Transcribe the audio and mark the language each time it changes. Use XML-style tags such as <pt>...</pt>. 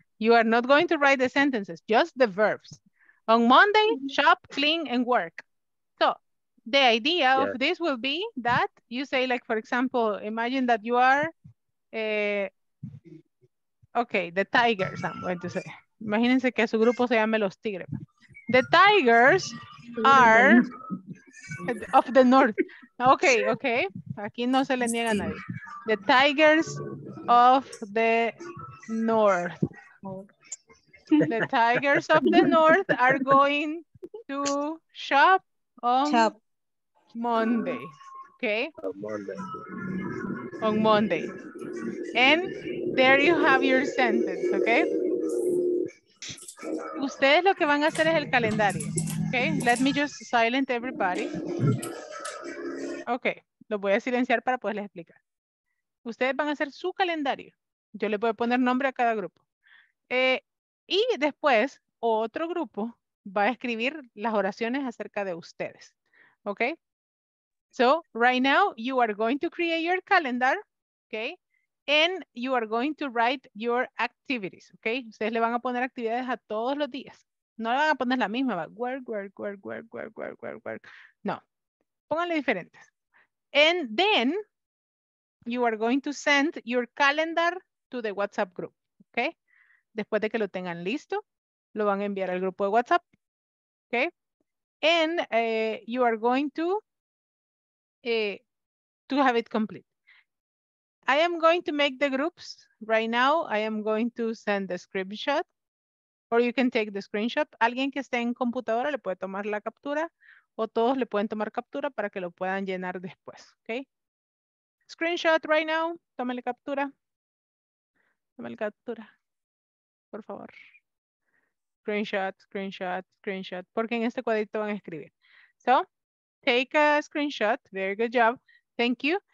<en>You are not going to write the sentences, just the verbs. On Monday, shop, clean, and work. So the idea of this will be that you say, like, for example, imagine that you are, the Tigers, I'm going to say.</en> <es>Imagínense que su grupo se llame Los Tigres.</es> <en>The Tigers are of the North. Okay.</en> <es>Aquí no se le niega a nadie.</es> <en>The Tigers of the North. The Tigers of the North are going to shop on Monday. Okay? On Monday. And there you have your sentence, okay?</en> <es>Ustedes lo que van a hacer es el calendario. Okay?</es> <en>Let me just silence everybody.</en> <es>Okay, lo voy a silenciar para poderles explicar. Ustedes van a hacer su calendario. Yo le voy a poner nombre a cada grupo. Y después, otro grupo va a escribir las oraciones acerca de ustedes.</es> <en>Okay? So, right now, you are going to create your calendar. Okay? And you are going to write your activities. Okay?</en> <es>Ustedes le van a poner actividades a todos los días. No le van a poner la misma. Work. No. Pónganle diferentes.</es> <en>And then you are going to send your calendar to the WhatsApp group, okay?</en> <es>Después de que lo tengan listo, lo van a enviar al grupo de WhatsApp, okay?</es> <en>And you are going to have it complete. I am going to make the groups right now. I am going to send the screenshot, or you can take the screenshot.</en> <es>Alguien que esté en computadora le puede tomar la captura. O todos le pueden tomar captura para que lo puedan llenar después, okay?</es> <en>Screenshot right now,</en> <es>tómale captura, por favor. Screenshot, porque en este cuadrito van a escribir.</es> <en>So, take a screenshot, very good job, thank you.</en>